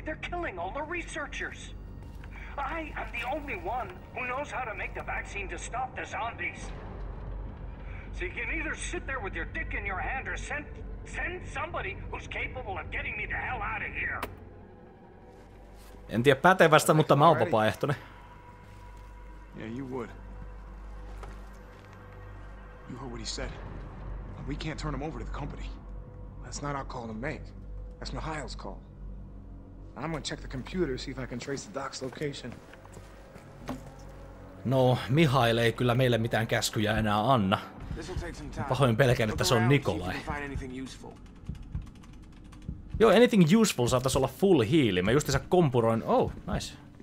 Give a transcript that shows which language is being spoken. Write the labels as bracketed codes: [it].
[en] They're killing all the researchers. I am the only one who knows how to make the vaccine to stop the zombies. So you can either sit there with your dick in your hand or send somebody who's capable of getting me the hell out of here. [fi] En tiedä pätevästä, mutta mä oon vapaaehtoinen. [en] Yeah, you would. You heard what he said. We can't turn him over to the company. That's not our call to make. That's Mihail's call. I'm gonna check the computer, see if I can trace the doc's location. [fi] No, Mihail ei kyllä meille mitään käskyjä enää anna. Pahoin pelkään, että se on Nikolai. Joo, [en] anything useful [fi] saattais olla full heal. Mä justiinsa kompuroin. [en] Oh, nice.